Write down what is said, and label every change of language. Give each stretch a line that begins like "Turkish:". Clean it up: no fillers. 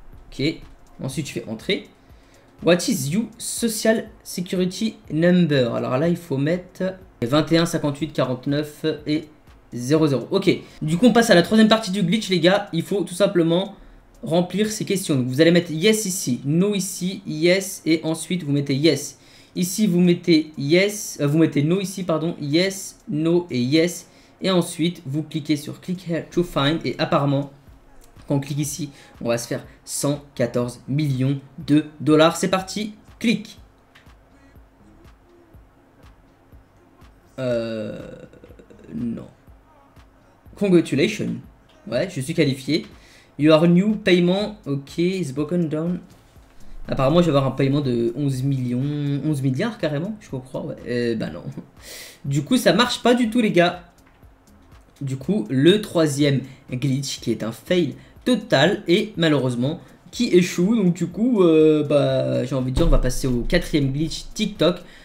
French: Ok, ensuite tu fais entrer.
English: What is your social security number?
French: Alors là, il faut mettre 21, 58, 49 et 00. Ok, du coup, on passe à la troisième partie du glitch, les gars. Il faut tout simplement remplir ces questions. Donc vous allez mettre yes ici, no ici, yes, et ensuite vous mettez yes. Ici vous mettez yes, vous mettez no ici, pardon, yes, no et yes. Et ensuite vous cliquez sur
English: click here to find.
French: Et apparemment, quand on clique ici, on va se faire 114 millions de dollars. C'est parti, clic. Non. Congratulations. Ouais, je suis qualifié.
English: Your new payment, ok, is broken down.
French: Apparemment, je vais avoir un paiement de 11 millions, 11 milliards carrément, je crois, ouais. Bah non. Du coup, ça marche pas du tout, les gars. Du coup, le troisième glitch qui est un fail total et malheureusement qui échoue. Donc, du coup, bah, j'ai envie de dire, on va passer au quatrième glitch TikTok.